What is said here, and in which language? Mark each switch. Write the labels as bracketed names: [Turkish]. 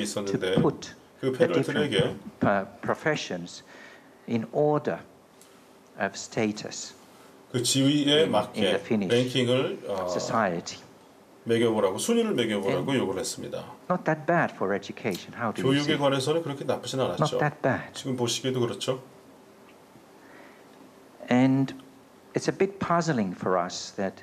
[English] to put the different professions in order of status in the Finnish society. [Korean] 매겨보라고 순위를 매겨보라고 요구를 했습니다. [English] Not that bad for education. How do you see? [Korean] 교육에 관해서는 그렇게 나쁘진 않았죠. [English] Not that bad. [Korean] 지금 보시기에도 그렇죠. [English] And it's a bit puzzling for us that